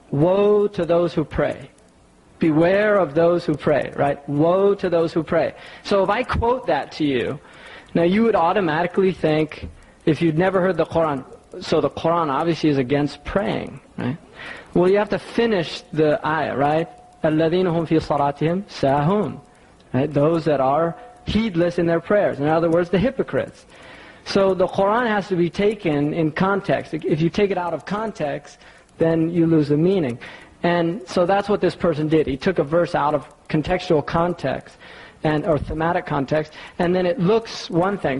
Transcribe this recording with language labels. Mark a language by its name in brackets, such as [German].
[English] Woe to those who pray. Beware of those who pray, right? Woe to those who pray. So if I quote that to you, now you would automatically think, if you'd never heard the Quran, so the Quran obviously is against praying, right? Well, you have to finish the ayah, right? [Arabic] الَّذِينَ هُمْ فِي صَلَاتِهِمْ سَاهُونَ, right? [English] Those that are heedless in their prayers. In other words, the hypocrites. So the Quran has to be taken in context. If you take it out of context, then you lose the meaning. And so that's what this person did. He took a verse out of contextual context, and or thematic context, and then it looks one thing.